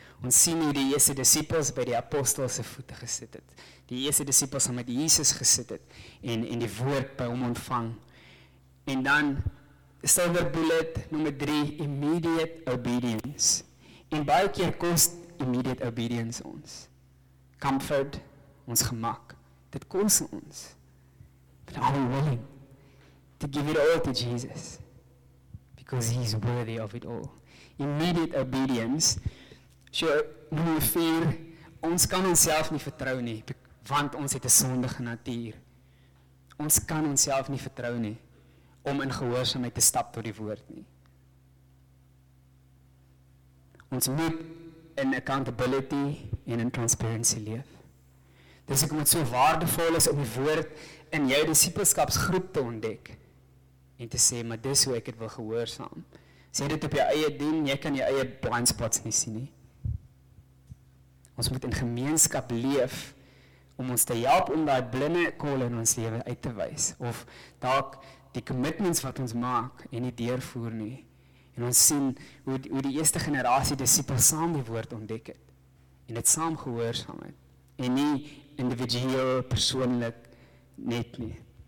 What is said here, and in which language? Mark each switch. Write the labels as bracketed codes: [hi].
[af] Ons sien hoe die eerste disippels by die apostelse voete gesit het. Die eerste disippels het met Jesus gesit het en die woord by hom ontvang. En dan, [en] silver bullet, [af] nummer 3, [en] immediate obedience. [af] En baie keer kost [en] immediate obedience [af] ons. Comfort, ons gemak, dit kost ons. [en] But are we willing to give it all to Jesus? Because he is worthy of it all. Immediate obedience. [af] So, nummer 4, ons kan onsself nie vertrou nie, want ons het 'n sondige natuur. Ons kan onsself nie vertrou nie, om in gehoorsaamheid te stap tot die woord nie. Ons moet in accountability en in transparency leef. Dis ek moet so waardevol is om die woord in jou disippelskapsgroep te ontdek, en te sê, maar dis hoe ek het wil gehoorsaam. Sê dit op jou eie doen, jy kan jou eie blind spots nie sien nie. Ons moet in gemeenskap leef om ons te help om daai blinde kolle in ons lewe uit te wys. Of dalk die commitments wat ons maak en nie deurvoer nie. En ons sien hoe die eerste generasie disippels saam die woord ontdek het. En het saam gehoorsaam het. En nie individueel, persoonlik, net nie.